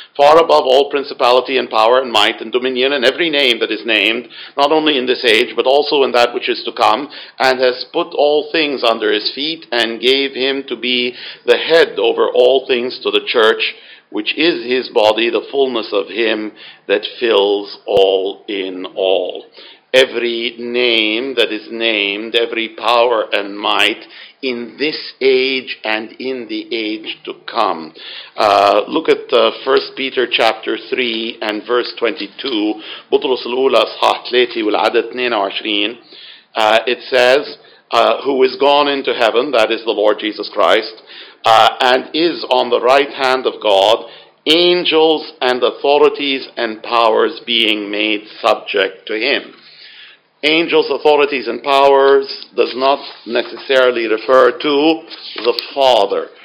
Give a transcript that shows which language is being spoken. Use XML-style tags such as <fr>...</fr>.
<en>far above all principality and power and might and dominion and every name that is named, not only in this age but also in that which is to come, and has put all things under his feet and gave him to be the head over all things to the church, which is his body, the fullness of him that fills all in all. Every name that is named, every power and might in this age and in the age to come. Look at 1 Peter chapter 3 and verse 22.</en> <ar>بطرس الأولى صحاح 3 والعدد 22.</ar> <en>It says, who is gone into heaven, that is the Lord Jesus Christ, and is on the right hand of God, angels and authorities and powers being made subject to him. Angels, authorities, and powers does not necessarily refer to the Father.</en>